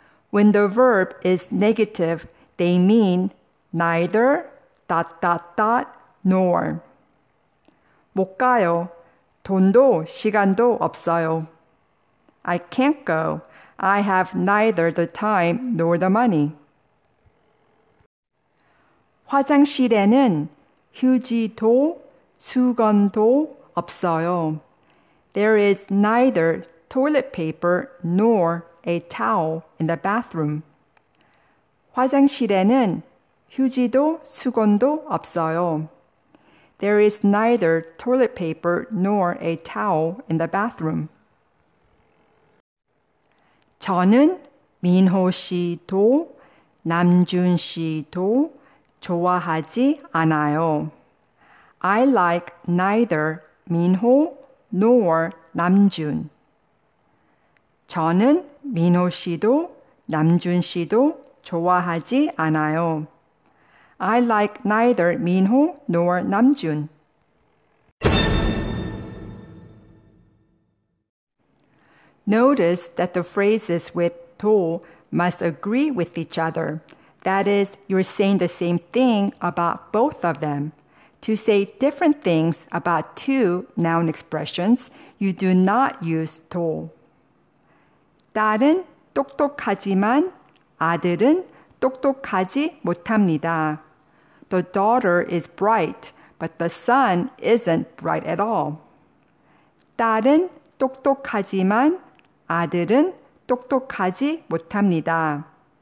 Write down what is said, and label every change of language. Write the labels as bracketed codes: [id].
[en] When the verb is negative, they mean neither, dot, dot, dot, nor. [ko] 못 가요. 돈도 시간도 없어요. [en] I can't go. I have neither the time nor the money. [ko] 화장실에는 휴지도 수건도 없어요. [en] There is neither toilet paper nor a towel in the bathroom. [ko] 화장실에는 휴지도 수건도 없어요. [en] There is neither toilet paper nor a towel in the bathroom. [ko] 저는 민호 씨도 남준 씨도 좋아하지 않아요. [en] I like neither Minho nor Namjoon. [ko] 저는 민호 씨도 남준 씨도 좋아하지 않아요. [en] I like neither Minho nor Namjoon. Notice that the phrases with 도 must agree with each other. That is, you're saying the same thing about both of them. To say different things about two noun expressions, you do not use 도. [ko] 딸은 똑똑하지만 아들은 똑똑하지 못합니다. [en] The daughter is bright, but the son isn't bright at all. [ko] 딸은 똑똑하지만 아들은 똑똑하지 못합니다.